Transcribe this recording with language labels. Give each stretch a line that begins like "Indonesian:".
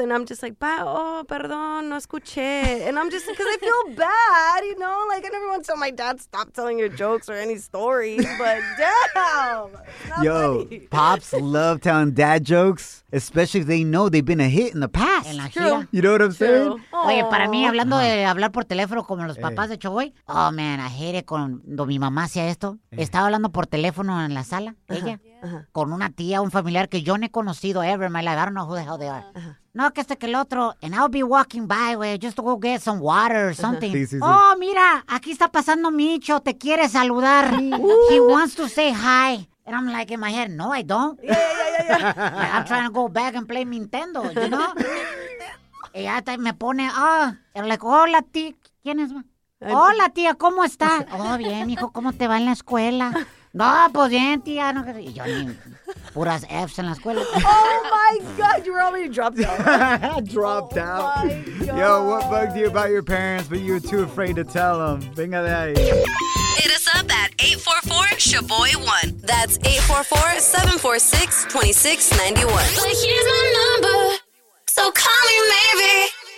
English: And I'm just like,
Spanish: perdón, no escuché.
English: And I'm just, because I feel bad, you know? Like, I never want to tell my dad, stop telling your jokes or any stories, but damn. Yo, funny. Pops love telling dad jokes, especially if they know they've been a hit in the past.
Spanish: En la gira.
English: You know what I'm saying? Aww.
Spanish: Oye, para mí, hablando de hablar por teléfono como los papás de Choboy,
English: oh, man, I hate it
Spanish: cuando mi mamá hacía esto. Estaba hablando por teléfono en la sala, ella, con una tía, un familiar que yo no he conocido
English: ever in my life. I don't know who the hell they are.
Spanish: No, que este que el otro.
English: And I'll be walking by, güey, just to go get some water or something.
Spanish: Sí. Oh, mira, aquí está pasando Micho. Te quiere saludar.
English: He wants to say hi. And I'm like, in my head, no, I don't. Yeah. Like, I'm trying to go back and play Nintendo, you know?
Spanish: Y hasta me pone, oh.
English: And I'm like,
Spanish: hola, tía. ¿Quién es? Hola, tía, ¿cómo está? Oh, bien, mijo, ¿cómo te va en la escuela? No, pues bien, tía. No, y yo ni puras Fs en la escuela.
English: Oh, my God. You're already dropped out. Dropped out. My God. Yo, what bugged you about your parents, but you were too afraid to tell them?
Spanish: Venga de ahí.
English: Hit us up at 844-SHABOY1. That's 844-746-2691. But here's my number. So call me, maybe.